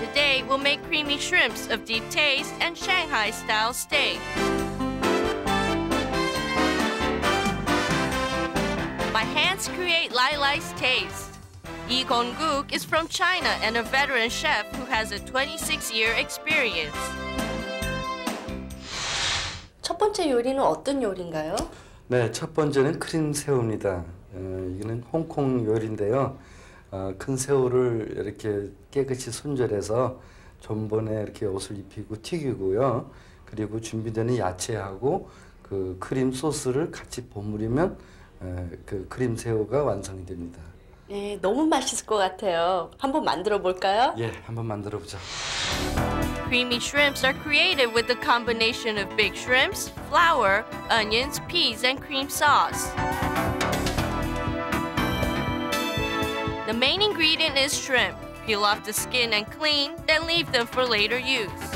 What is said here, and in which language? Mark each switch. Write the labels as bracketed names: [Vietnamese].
[English] Today we'll make creamy shrimps of deep taste and Shanghai style steak. My hands create Lai Lai's taste. Yi Gongguk is from China and a veteran chef who has a 26-year experience. [Korean] 첫 번째 요리는 어떤 요리인가요? 네, 첫 번째는 크림 새우입니다. 이거는 홍콩 요리인데요. 큰 새우를 이렇게 깨끗이 손질해서 전번에 이렇게 옷을 입히고 튀기고요. 그리고 준비되는 야채하고 그 크림 소스를 같이 버무리면 그 크림 새우가 완성이 됩니다. 네, 너무 맛있을 것 같아요. 한번 만들어 볼까요? 예, 한번 만들어 보죠. [English] Creamy shrimps are created with a combination of big shrimps, flour, onions, peas, and cream sauce. The main ingredient is shrimp. Peel off the skin and clean, then leave them for later use.